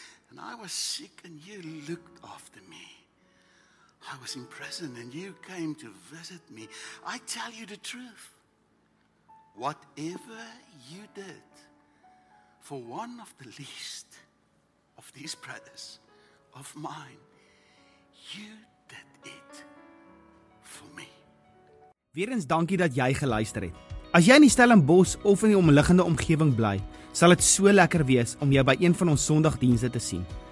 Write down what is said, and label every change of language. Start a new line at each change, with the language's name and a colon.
English: And I was sick and you looked after me. I was in prison and you came to visit me. I tell you the truth. Whatever you did for one of the least of these brothers of mine, you did it for me.
Afrikaans: Weerens dankie dat jy geluister het. As jy in die Stellenbosch of in die omliggende omgewing bly, sal het so lekker wees om jou by een van ons sondagdienste te sien.